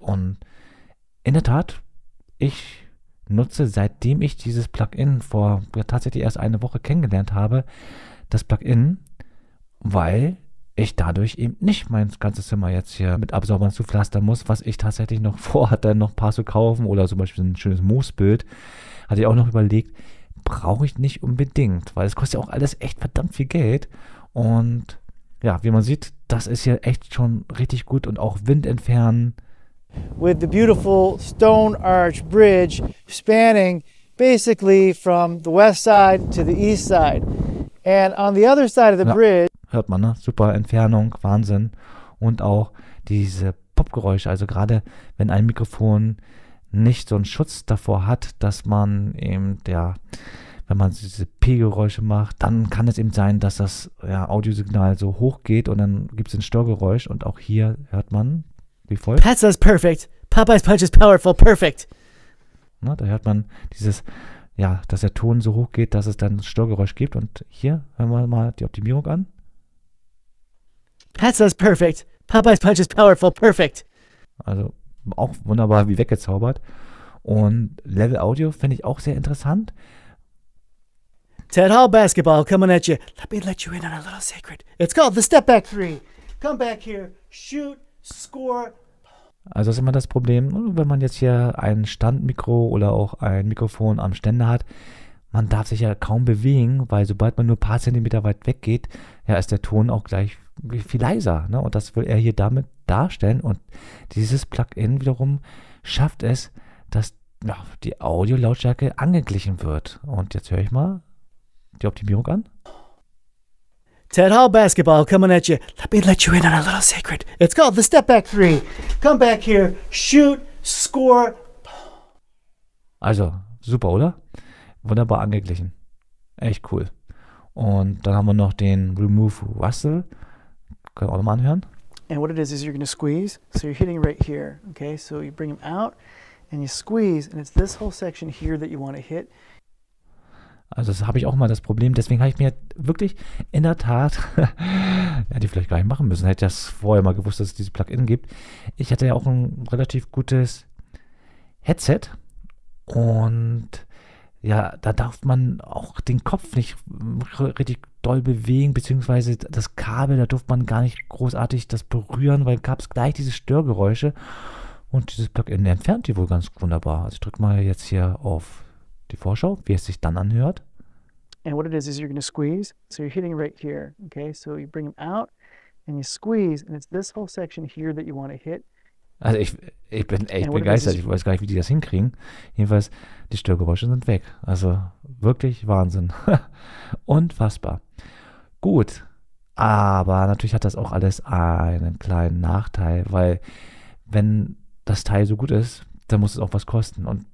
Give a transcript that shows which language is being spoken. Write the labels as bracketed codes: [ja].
[de] Und in der Tat, ich nutze, seitdem ich dieses Plugin vor ja, tatsächlich erst eine Woche kennengelernt habe, das Plugin, weil ich dadurch eben nicht mein ganzes Zimmer jetzt hier mit Absorbern zupflastern muss, was ich tatsächlich noch vorhatte, noch ein paar zu kaufen oder zum Beispiel ein schönes Moosbild, hatte ich auch noch überlegt. Brauche ich nicht unbedingt, weil es kostet ja auch alles echt verdammt viel Geld. Und ja, wie man sieht, das ist hier echt schon richtig gut und auch Wind entfernen. [en] With the beautiful stone arch bridge spanning basically from the west side to the east side. And on the other side of the bridge. [de] Hört man, ne? Super Entfernung, Wahnsinn. Und auch diese Popgeräusche, also gerade wenn ein Mikrofon nicht so einen Schutz davor hat, dass man eben der, wenn man diese P-Geräusche macht, dann kann es eben sein, dass das ja, Audiosignal so hoch geht und dann gibt es ein Störgeräusch und auch hier hört man wie folgt. [en] Pizza is perfect. Popeye's punch is powerful. Perfect. [de] Na, da hört man dieses, ja, dass der Ton so hoch geht, dass es dann ein Störgeräusch gibt und hier hören wir mal die Optimierung an. [en] Pizza is perfect. Popeye's punch is powerful. Perfect. [de] Also auch wunderbar wie weggezaubert. Und Level Audio finde ich auch sehr interessant. [en] Ted Hall Basketball coming at you. Let me let you in on a little secret. It's called the Step Back Three. Come back here. Shoot. Score. [de] Also ist immer das Problem, wenn man jetzt hier ein Standmikro oder auch ein Mikrofon am Ständer hat, man darf sich ja kaum bewegen, weil sobald man nur ein paar Zentimeter weit weggeht, ja, ist der Ton auch gleich viel leiser, ne? Und das will er hier damit darstellen. Und dieses Plugin wiederum schafft es, dass ja, die Audio-Lautstärke angeglichen wird. Und jetzt höre ich mal die Optimierung an. [en] Ted Hall Basketball coming at you. Let me let you in on a little secret. It's called the Step Back Three. Come back here, shoot, score. [de] Also, super, oder? Wunderbar angeglichen. Echt cool. Und dann haben wir noch den Remove Rustle. Können wir auch nochmal anhören. [en] And what it is you're going to squeeze. So you're hitting right here. Okay, so you bring him out and you squeeze. And it's this whole section here that you want to hit. [de] Also das habe ich auch mal das Problem. Deswegen habe ich mir wirklich in der Tat, ja, die vielleicht gar nicht machen müssen. Hätte ich das vorher mal gewusst, dass es diese Plugin gibt. Ich hatte ja auch ein relativ gutes Headset. Und ja, da darf man auch den Kopf nicht richtig doll bewegen, beziehungsweise das Kabel, da durfte man gar nicht großartig das berühren, weil gab es gleich diese Störgeräusche. Und dieses Plugin entfernt die wohl ganz wunderbar. Also ich drücke mal jetzt hier auf die Vorschau, wie es sich dann anhört. [en] And what it is you're going to squeeze. So you're hitting right here. Okay, so you bring him out and you squeeze. And it's this whole section here that you want to hit. [de] Also ich bin echt [en] And what it is [de] begeistert. [en] is. [de] Ich weiß gar nicht, wie die das hinkriegen. Jedenfalls, die Störgeräusche sind weg. Also wirklich Wahnsinn. Unfassbar. Gut. Aber natürlich hat das auch alles einen kleinen Nachteil, weil wenn das Teil so gut ist, dann muss es auch was kosten.